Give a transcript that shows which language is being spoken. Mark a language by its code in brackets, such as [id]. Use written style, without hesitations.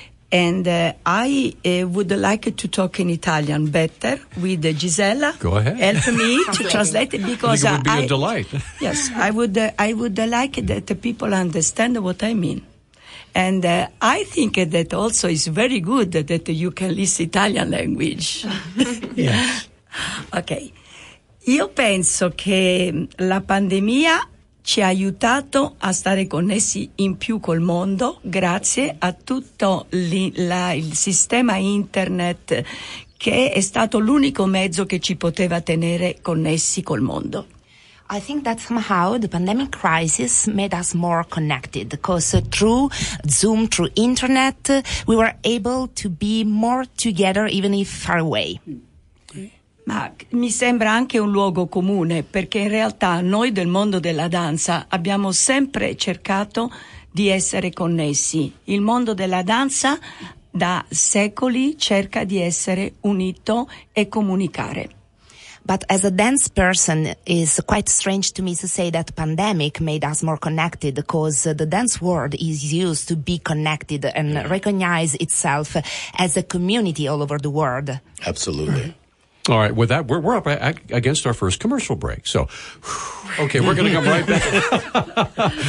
[en] And I would like to talk in Italian better with Gisella. Go ahead. Help me to translate it, because it would be a delight. Yes, I would like that the people understand what I mean. And I think that also is very good that you can listen Italian language. Yes. Okay. [it] Io penso che la pandemia ci ha aiutato a stare connessi in più col mondo grazie a tutto il sistema internet, che è stato l'unico mezzo che ci poteva tenere connessi col mondo. [en] I think that somehow the pandemic crisis made us more connected, because through Zoom, through internet, we were able to be more together, even if far away. [it] Ma mi sembra anche un luogo comune, perché in realtà noi del mondo della danza abbiamo sempre cercato di essere connessi. Il mondo della danza da secoli cerca di essere unito e comunicare. [en] But as a dance person, it's quite strange to me to say that pandemic made us more connected, because the dance world is used to be connected and recognize itself as a community all over the world. Absolutely. All right, with that, we're up against our first commercial break. So, okay, we're going to come right back.